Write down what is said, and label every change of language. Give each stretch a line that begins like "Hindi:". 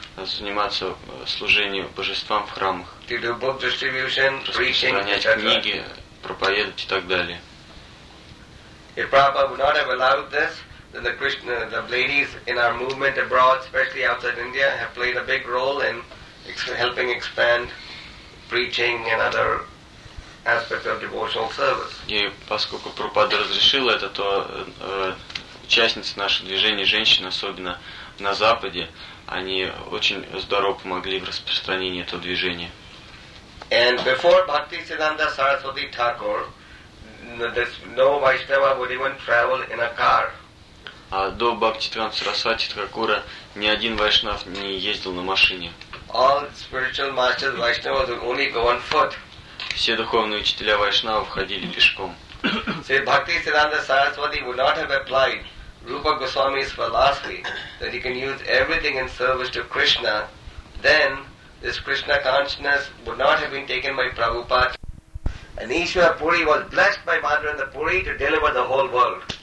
Russian: Заниматься служением божествам в храмах.
English: To do book distribution, preaching,
Russian: распространять книги, проповедовать и так далее.
English: If Prabhupada would not have allowed this, then the ladies in our movement abroad, especially outside India, have played a big role in helping expand preaching and other aspects of devotional service.
Russian: И поскольку Прабхупада разрешил это, то участницы нашего движения, женщины, особенно на Западе, они очень здорово помогли в распространении этого движения.
English: And before Bhakti Siddhanta Saraswati Thakur, no Vaishnava would even travel in a car.
Russian: А до Бхакти Сиддханта Сарасвати Тхакура ни один вайшнав не ездил на машине.
English: All spiritual masters, Vaishnavas would only go on foot.
Russian: Все духовные учителя вайшнавов ходили пешком.
English: So Bhakti Siddhanta Saraswati would not have applied Rupa Goswami's philosophy that he can use everything in service to Krishna, then this Krishna consciousness would not have been taken by Prabhupada. And Ishwara Puri was blessed by Madhavendra Puri to deliver the whole world.